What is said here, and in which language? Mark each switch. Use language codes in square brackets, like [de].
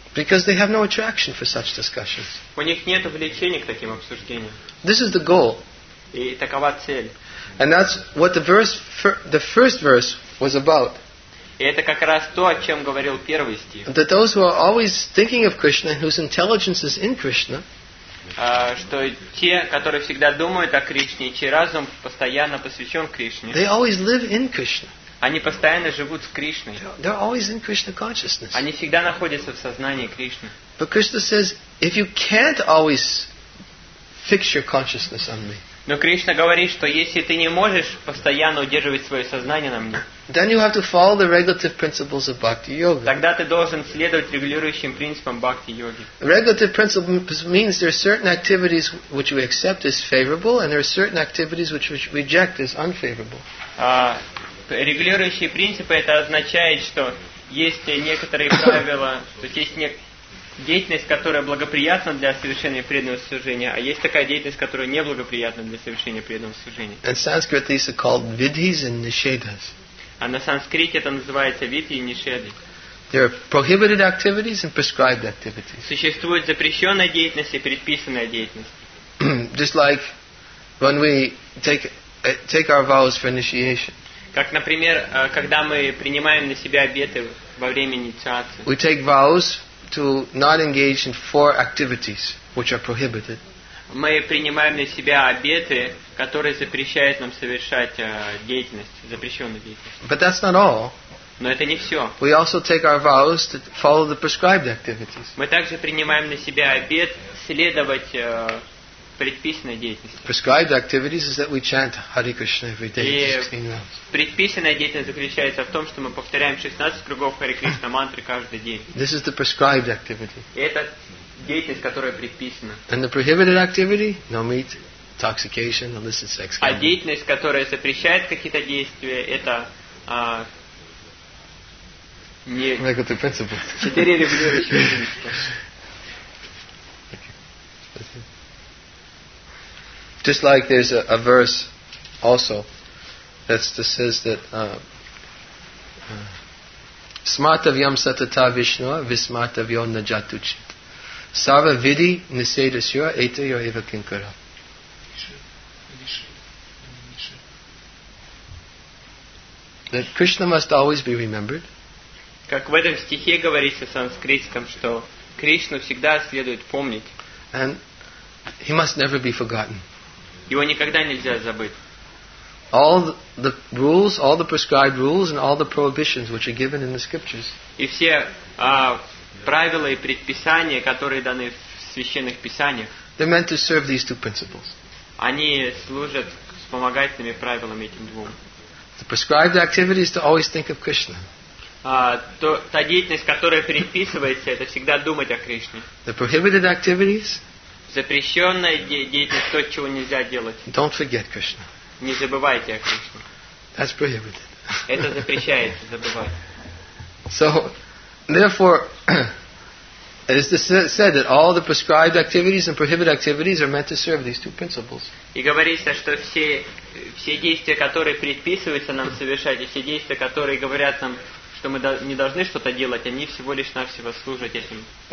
[en] Because they have no attraction for such discussions. [ru] У них нет влечения к таким обсуждениям. [en] This is the goal. [ru] И такова цель. [en] And that's what the first verse was about. [ru] И это как раз то, о чем говорил первый стих. [en] That those who are always thinking of Krishna, whose intelligence is in Krishna, [ru] что те, которые всегда думают о Кришне, чей разум постоянно посвящен Кришне, [en] they always live in Krishna. [ru] Они постоянно живут с Кришной. [en] They're always in Krishna consciousness. [ru] Они всегда находятся в сознании Кришны. [en] But Krishna says, if you can't always fix your consciousness on me, [ru] но Кришна говорит, что если ты не можешь постоянно удерживать свое сознание на мне, [en] then you have to follow the regulative principles of bhakti yoga. [ru] Тогда ты должен следовать регулирующим принципам бхакти йоги. [en] Regulative principles means there are certain activities which we accept as favorable, and there are certain activities which we reject as unfavorable. [ru] Регулирующие принципы это означает, что есть некоторые правила, то есть есть деятельность, которая благоприятна для совершения преданного служения, а есть такая деятельность, которая неблагоприятна для совершения преданного служения. [en] In Sanskrit these are called vidhis and nishedhas. [ru] А на санскрите это называется видхи и нишеды. [en] There are prohibited activities and prescribed activities. [ru] Существует запрещенная деятельность и предписанная деятельность. [en] Just like when we take our vows for initiation. [ru] Как, например, когда мы принимаем на себя обеты во время инициации. [en] We take vows to not engage in four activities which are prohibited. [ru] Мы принимаем на себя обеты, которые запрещают нам совершать деятельность, запрещенную деятельность. [en] But that's not all. [ru] Но это не все. [en] We also take our vows to follow the prescribed activities. [ru] Мы также принимаем на себя обет следовать предписанной деятельности. [en] Prescribed activities is that we chant Hare Krishna every day. [ru] Предписанная деятельность заключается в том, что мы повторяем 16 кругов Hare Krishna мантры каждый день. [en] This is the prescribed activity. [ru] Это деятельность, которая предписана. [en] And the prohibited activity? No meat, intoxication, illicit sex. [ru] А деятельность, которая запрещает какие-то действия, это не [en] regulative principle. [ru] Четыре регулирующие принципа. [en] Just like there's a verse also that says that [sa] smartavyam satata vishnu vismartavyo na jatuchit sarva vidhi nisedasya etayo eva kinkara. [en] That Krishna must always be remembered. [ru] Как в этом стихе говорится в санскритском, что Кришну всегда следует помнить. [en] And he must never be forgotten. [ru] Его никогда нельзя забыть. [en] All the rules, all the prescribed rules, and all the prohibitions which are given in the scriptures. [ru] И все Правила и предписания, которые даны в священных писаниях. [en] They're meant to serve these two principles. [ru] Они служат вспомогательными правилами этим двум. [en] The prescribed activity is to always think of Krishna. [ru] Та деятельность, которая предписывается, это всегда думать о Кришне. [en] The prohibited activities. [ru] Запрещенная деятельность, то, чего нельзя делать. [en] Don't forget Krishna. [ru] Не забывайте о Кришне. [en] That's prohibited. [ru] Это запрещается забывать. [en] So, therefore, it is said that all the prescribed activities and prohibited activities are meant to serve these two principles. [ru] И говорится, что все действия, которые предписываются нам совершать, и все действия, которые говорят нам, что мы не должны что-то делать, они всего лишь навсего служат этим.